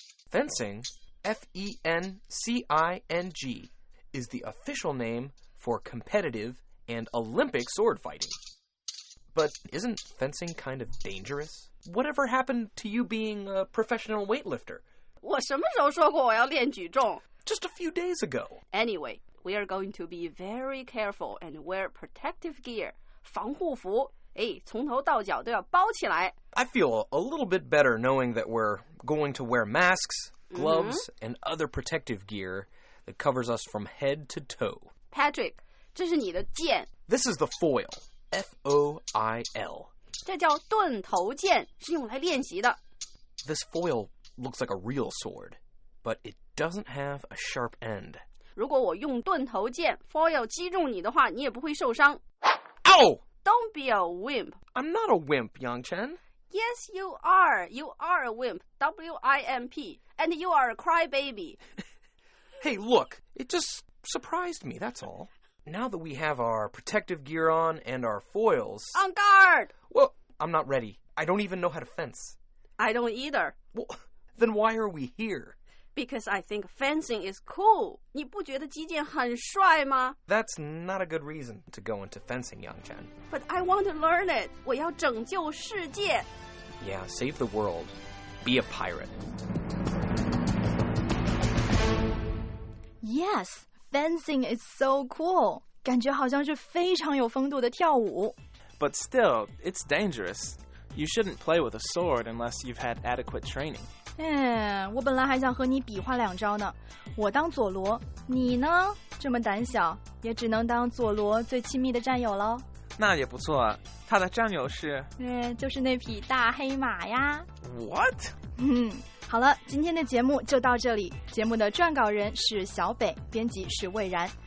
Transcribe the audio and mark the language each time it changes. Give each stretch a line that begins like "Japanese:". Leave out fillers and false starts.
English: Fencing? F-E-N-C-I-N-G is the official name for competitive and Olympic sword fighting. But isn't fencing kind of dangerous? Whatever happened to you being a professional weightlifter?
Chinese: 我什么时候说过我要练举重?
English: Just a few days ago. Anyway, we are going to be very careful and wear protective gear,
Chinese: 防护服。哎，从头到脚都要包起来。
English: I feel a little bit better knowing that we're going to wear masks,Gloves and other protective gear that covers us from head to toe.
Chinese: Patrick, 这是你的剑。
English: This is the foil, F-O-I-L.
Chinese: 这叫盾头剑，是用来练习的。
English: This foil looks like a real sword, but it doesn't have a sharp end.
Chinese: 如果我用盾头剑 foil 击中你的话，你也不会受伤。
English: Ow! Don't be a wimp. I'm not a wimp, Yangchen. Yes, you are. You are a wimp. W-I-M-P. And you are a crybaby. Hey, look. It just surprised me, that's all. Now that we have our protective gear on and our foils... On guard! Well, I'm not ready. I don't even know how to fence. I don't either. Well, then why are we here? Because I think fencing is cool.
Chinese: 你不觉得击剑很帅吗?
English: That's not a good reason to go into fencing, Yangchen. But I want to learn it.
Chinese: 我要拯救世界。
English: Yeah, save the world. Be a pirate. Yes, fencing is so cool.
Chinese: 感觉好像是非常有风度的跳舞。
English: But still, it's dangerous. You shouldn't play with a sword unless you've had adequate training.
Chinese: 嗯，我本来还想和你比划两招呢，我当佐罗，你呢？这么胆小，也只能当佐罗最亲密的战友喽。那也不错，他的战友是？就是那匹大黑马呀。
English: What？
Chinese: 好了，今天的节目就到这里。节目的撰稿人是小北，编辑是魏然。